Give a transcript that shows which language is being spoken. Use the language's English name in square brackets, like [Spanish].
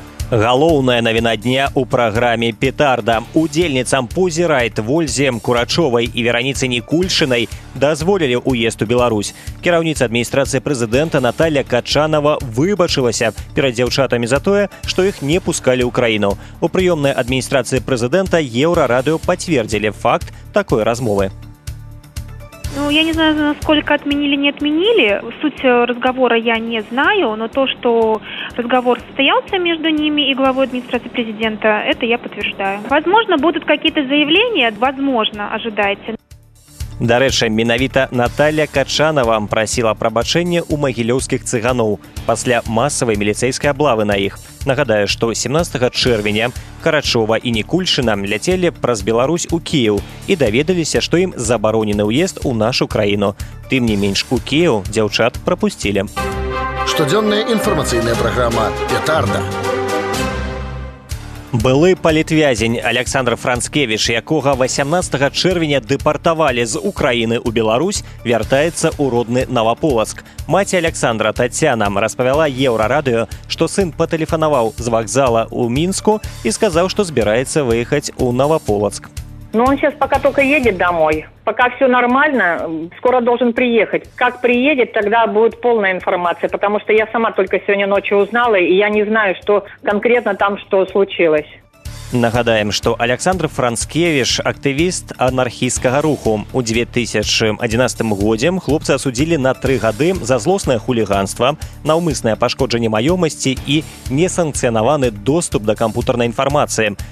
[Belarusian] Галоўная навіна дня ў праграме «Петарда». Удзельніцам Pussy Riot Вользе Курачовай і Вераніцы Нікульшынай дазволілі ўезд у Беларусь. Кіраўніца адміністрацыі прэзідэнта Наталля Качанова выбачылася перад дзяўчатамі за тое, што іх не пускалі ў краіну. У прыёмнай адміністрацыі прэзідэнта Еўрарадыё пацвердзілі факт такой размовы. [Russian] Ну, я не знаю, насколько отменили, не отменили. Суть разговора я не знаю, но то, что разговор состоялся между ними и главой администрации президента, это я подтверждаю. Возможно, будут какие-то заявления, возможно, ожидайте. [Belarusian] Дарэчы, менавіта Наталля Качанова прасіла прабачэння ў магілёўскіх цыганоў пасля масавай міліцэйскай аблавы на іх. Нагадаю, што 17 чэрвеня Карачова і Нікульшына ляцелі праз Беларусь у Кіеў і даведаліся, што ім забаронены ўезд у нашу краіну. Тым не менш, у Кіеў дзяўчат прапусцілі. Штодзённая інфармацыйная праграма «Петарда». Былы палітвязень Александр Францкевіч, якога 18 чэрвеня дэпартавалі з Украіны ў Беларусь, вяртаецца ў родны Наваполацк. Маці Александра Таццяна распавяла Еўрарадыё, што сын патэлефанаваў з вакзала ў Мінску і сказаў, што збіраецца выехаць ў Наваполацк. [Russian] Ну, он сейчас пока только едет домой. Пока все нормально, скоро должен приехать. Как приедет, тогда будет полная информация, потому что я сама только сегодня ночью узнала, и я не знаю, что конкретно там что случилось. [Belarusian] Нагадаем, што Александр Францкевіч – актывіст анархісцкага руху. У 2011 годзе хлопца асудзілі на 3 гады за злоснае хуліганства, наўмыснае пашкоджанне маёмасці і несанкцыянаваны доступ да кампутарнай інфармацыі.